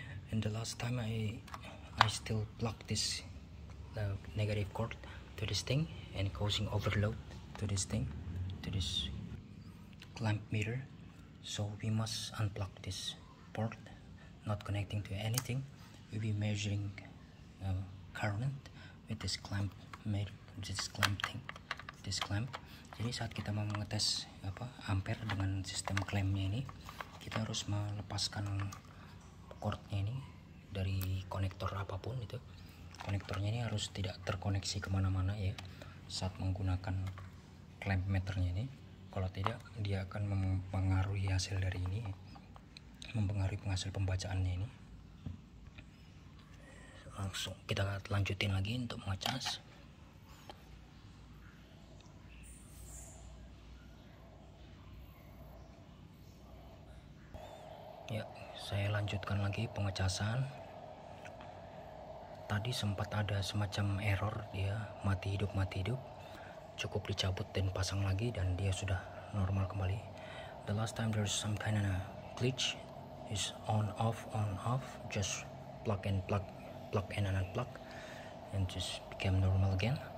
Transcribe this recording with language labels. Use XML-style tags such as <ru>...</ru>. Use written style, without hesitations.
<en>And the last time I still plugged this negative cord to this thing and causing overload to this thing, to this clamp meter. So we must unplug this port, not connecting to anything. We'll be measuring current with this clamp meter, this clamp.</en> <id>Jadi saat kita mau mengetes ampere dengan sistem clampnya ini, kita harus melepaskan cordnya ini dari konektor apapun itu. Konektornya ini harus tidak terkoneksi kemana-mana ya saat menggunakan clamp meternya ini. Kalau tidak, dia akan mempengaruhi hasil dari ini, mempengaruhi penghasil pembacaannya ini. Langsung kita lanjutin lagi untuk mengecas. Ya, saya lanjutkan lagi pengecasan. Tadi sempat ada semacam error ya, mati hidup. Cukup dicabut dan pasang lagi dan dia sudah normal kembali.</id> <en>The last time there's some kind of a glitch, is on off, just plug and unplug and just became normal again.</en>